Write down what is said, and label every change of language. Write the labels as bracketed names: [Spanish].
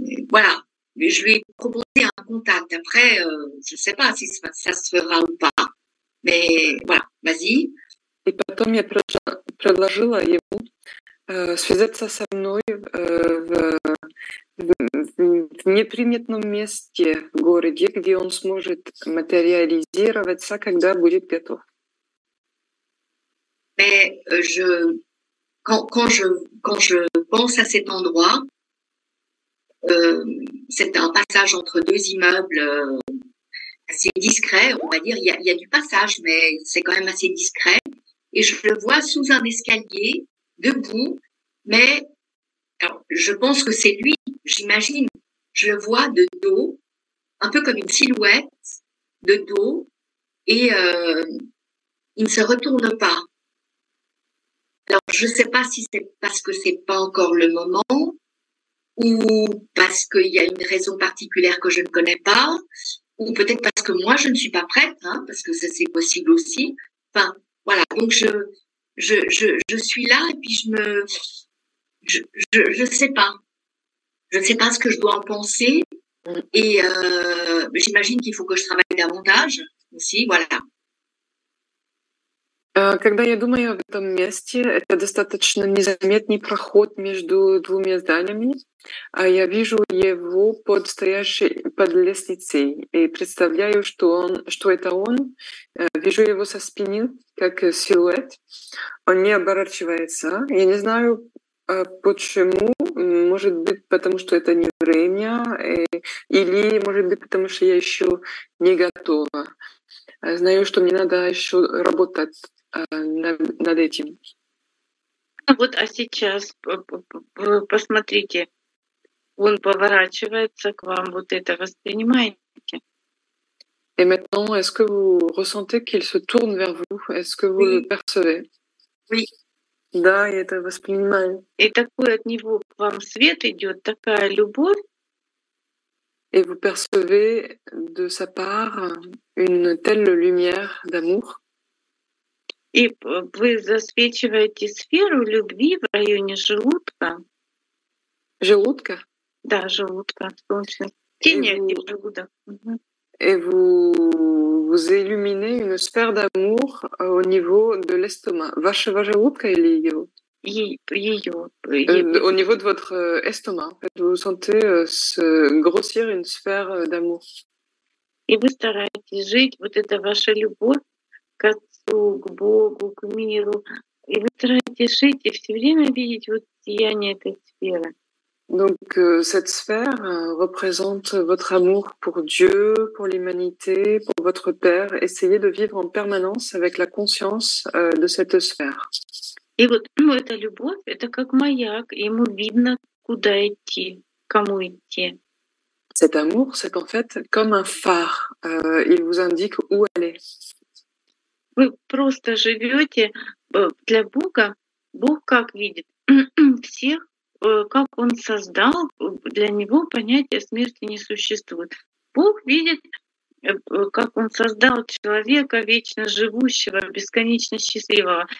[French] Voilà. Mais je lui ai proposé un contact. Après, je ne sais pas si ça se fera ou pas. Mais voilà, vas-y. Et [Russian] потом я предложила ему связаться со мной в неприметном месте в городе, где он сможет материализироваться, когда будет готов. [French] Mais quand je pense à cet endroit, c'est un passage entre deux immeubles assez discret, on va dire. Il y a du passage, mais c'est quand même assez discret. Et je le vois sous un escalier, debout. Mais alors, je pense que c'est lui, j'imagine. Je le vois de dos, un peu comme une silhouette de dos. Et il ne se retourne pas. Alors, je ne sais pas si c'est parce que ce n'est pas encore le moment ou parce qu'il y a une raison particulière que je ne connais pas ou peut-être parce que moi, je ne suis pas prête, hein, parce que ça, c'est possible aussi. Enfin, voilà, donc je suis là et puis je ne sais pas. Je ne sais pas ce que je dois en penser et j'imagine qu'il faut que je travaille davantage aussi, voilà. [Russian] Когда я думаю об этом месте, это достаточно незаметный проход между двумя зданиями, а я вижу его под лестницей и представляю, что это он. Вижу его со спины, как силуэт. Он не оборачивается. Я не знаю, почему. Может быть, потому что это не время, или может быть, потому что я еще не готова. Знаю, что мне надо еще работать над этим. Вот, а сейчас посмотрите, он поворачивается к вам, вот это воспринимаете? И [French] maintenant, est-ce que vous ressentez qu'il se tourne vers vous? Est-ce que vous le percevez? Oui. [Russian] Да, я это воспринимаю. И такой от него к вам свет идет, такая любовь. [French] Et vous percevez de sa part une telle lumière d'amour? [Russian] И вы засвечиваете сферу любви в районе желудка. Желудка? Да, желудка. Тень и желудок. [French] Et vous illuminez une sphère d'amour au niveau de l'estomac. [Russian] Вашего желудка или ее? Ее. [French] Au niveau de votre estomac. Vous sentez grossir une sphère d'amour. [Russian] И вы стараетесь жить, вот это ваша любовь, как к Богу, к миру. И вы стараетесь жить и все время видеть вот сияние этой сферы. [French] Donc, cette sphère représente votre amour pour Dieu, pour l'humanité, pour votre Père. Essayez de vivre en permanence avec la conscience de cette sphère. Et [Russian] вот, ну, эта любовь, это как маяк, ему видно, куда идти, кому идти. [French] Cet amour, c'est en fait comme un phare. Il vous indique où aller. [Russian] Вы просто живете для Бога. Бог как видит всех, как Он создал, для Него понятия смерти не существует. Бог видит, как Он создал человека, вечно живущего, бесконечно счастливого.